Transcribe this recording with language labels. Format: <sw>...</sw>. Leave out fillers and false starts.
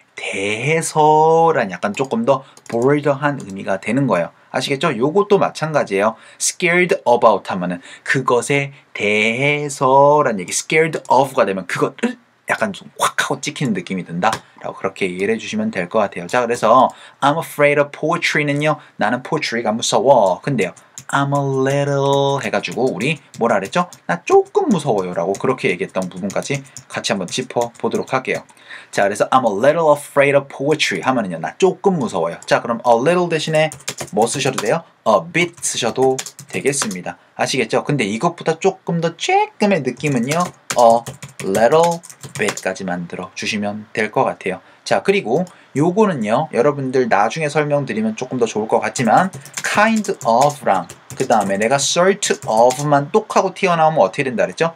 <ko>대해서란 약간 조금 더 bolder한 의미가 되는 거예요. 아시겠죠? 요것도 마찬가지예요. scared about 하면은 그것에 대해서란 얘기. scared of가 되면 그것 약간 좀 확 하고 찍히는 느낌이 든다. 라고 그렇게 이해를 해주시면 될 것 같아요. 자, 그래서</ko> <en>I'm afraid of poetry</en> <ko>는요. 나는 poetry가 무서워. 근데요. I'm a little 해가지고 우리 뭐라 그랬죠? 나 조금 무서워요 라고 그렇게 얘기했던 부분까지 같이 한번 짚어보도록 할게요. 자, 그래서</ko> <en>I'm a little afraid of poetry</en> <ko>하면은요. 나 조금 무서워요. 자, 그럼 a little 대신에 뭐 쓰셔도 돼요? a bit 쓰셔도 되겠습니다. 아시겠죠? 근데 이것보다 조금 더 조금의 느낌은요. a little bit까지 만들어 주시면 될 것 같아요. 자, 그리고 요거는요. 여러분들 나중에 설명드리면 조금 더 좋을 것 같지만 kind of랑 그 다음에 내가 sort of만 똑하고 튀어나오면 어떻게 된다 그랬죠?</ko>